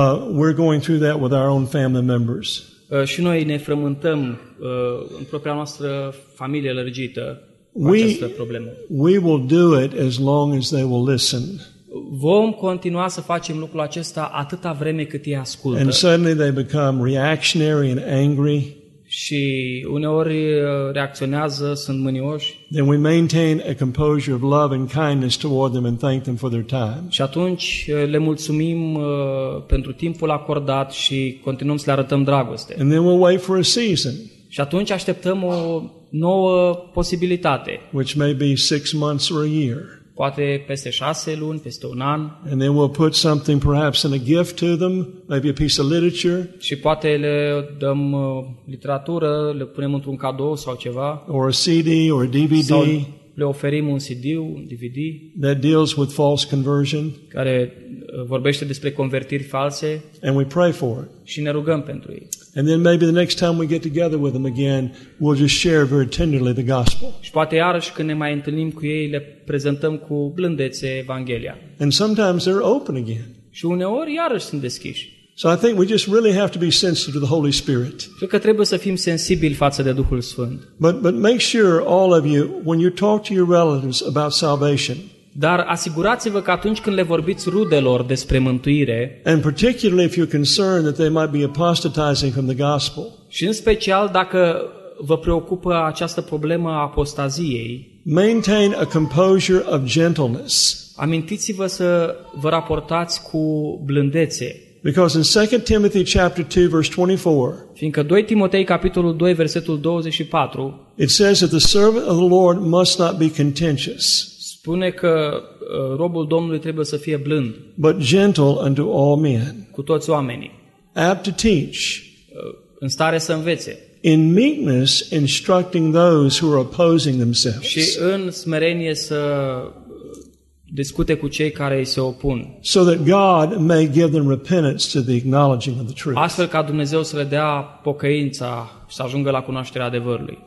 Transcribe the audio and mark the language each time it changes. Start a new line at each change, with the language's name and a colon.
English: We're going through that with our own family members.
Romanian: Și noi ne frământăm în propria noastră familie lărgită.
English: We will do it as long as they will listen.
Romanian: Vom continua să facem lucrul acesta atâta vreme cât ei ascultă.
English: And suddenly they become reactionary and angry.
Romanian: Și uneori reacționează, sunt mânioși.
English: Then we maintain a composure of love and kindness toward them and thank them for their time.
Romanian: Și atunci le mulțumim pentru timpul acordat și continuăm să le arătăm dragoste.
English: And then we'll wait for a season.
Romanian: Și atunci așteptăm o nouă posibilitate.
English: Which may be 6 months or a year.
Romanian: Poate peste 6 luni, peste un an.
English: And then we'll put something perhaps in a gift to them, maybe a piece of literature.
Romanian: Și poate le dăm literatură, le punem într-un cadou sau ceva.
English: Or a CD or a DVD.
Romanian: Sau le oferim un CD, un DVD.
English: That deals with false conversion.
Romanian: Care vorbește despre convertiri false.
English: And we pray for it.
Romanian: Și ne rugăm pentru ei.
English: And then maybe the next time we get together with them again, we'll just share very tenderly the gospel.
Romanian: Și poate iarăși când ne mai întâlnim cu ei, le prezentăm cu blândețe Evanghelia.
English: And sometimes they're open again.
Romanian: Și uneori iarăși sunt deschiși.
English: So I think we just really have to be sensitive to the Holy Spirit.
Romanian: Cred că trebuie să fim sensibili față de Duhul Sfânt.
English: But make sure all of you when you talk to your relatives about salvation.
Romanian: Dar asigurați-vă că atunci când le vorbiți rudelor despre mântuire,
English: and particularly if you're concerned that they might be apostatizing from the gospel.
Romanian: Și în special dacă vă preocupă această problemă a apostaziei,
English: maintain a composure of gentleness.
Romanian: Amintiți-vă să vă raportați cu blândețe.
English: Because in 2 Timothy chapter 2 verse 24,
Romanian: fiindcă 2 Timotei capitolul 2 versetul 24,
English: it says that the servant of the Lord must not be contentious.
Romanian: Spune că robul Domnului trebuie să fie blând,
English: but gentle unto all men,
Romanian: cu toți oamenii,
English: apt to teach,
Romanian: în stare să învețe,
English: in meekness instructing those who are opposing themselves,
Romanian: și în smerenie să discute cu cei care îi se opun,
English: so that God may give them repentance to the acknowledging of the truth,
Romanian: astfel ca Dumnezeu să le dea pocăința și să ajungă la cunoașterea adevărului.